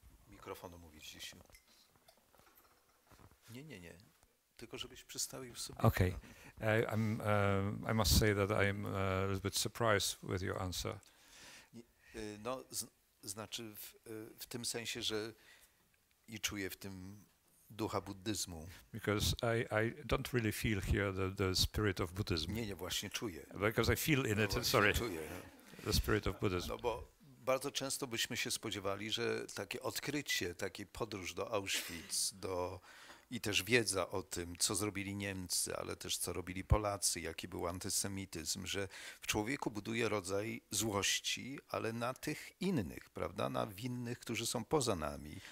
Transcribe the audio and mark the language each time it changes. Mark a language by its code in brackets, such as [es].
[pl] Mikrofonu mówić, Jisiu. Nie. Tylko żebyś przystawił sobie. [en] Okej. Okay. I must say that I'm a little bit surprised with your answer. [pl] No, znaczy w tym sensie, że i czuję w tym ducha buddyzmu. [en] Because I don't really feel here the spirit of Buddhism. [pl] Nie, właśnie czuję. [en] Because I feel in it, sorry. [pl] Czuję. [en] The spirit of Buddhism. [pl] No bo bardzo często byśmy się spodziewali, że takie odkrycie, taki podróż do Auschwitz, do i też wiedza o tym, co zrobili Niemcy, ale też co robili Polacy, jaki był antysemityzm, że w człowieku buduje rodzaj złości, ale na tych innych, prawda, na winnych, którzy są poza nami.